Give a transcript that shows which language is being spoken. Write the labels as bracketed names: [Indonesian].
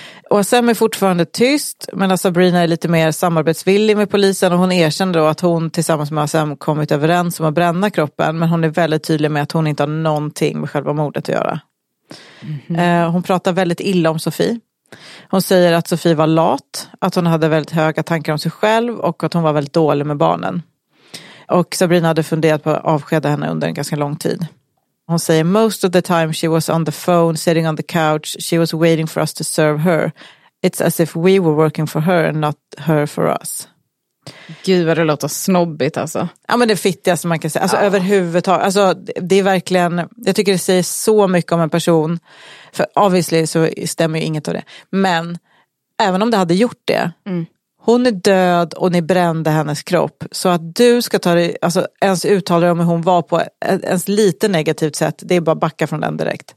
[Swedish] Och Sam är fortfarande tyst, men Sabrina är lite mer samarbetsvillig med polisen och hon erkänner då att hon tillsammans med Sam kommit överens om att bränna kroppen, men hon är väldigt tydlig med att hon inte har någonting med själva mordet att göra. Mm-hmm. Hon pratar väldigt illa om Sofie. Hon säger att Sofie var lat, att hon hade väldigt höga tankar om sig själv och att hon var väldigt dålig med barnen. Och Sabrina hade funderat på att avskeda henne under en ganska lång tid. Hon säger, [English] most of the time she was on the phone, sitting on the couch, she was waiting for us to serve her. It's as if we were working for her and not her for us. [Swedish] Gud vad det låter snobbigt alltså. Ja men det fittigaste man kan säga, alltså ja. Överhuvudtaget. Alltså det är verkligen, jag tycker det säger så mycket om en person. För obviously så stämmer ju inget av det. Men även om det hade gjort det... Mm. Hon är död och ni brände hennes kropp. Så att du ska ta dig, alltså ens uttala om hur hon var på ens lite negativt sätt, det är bara backa från den direkt.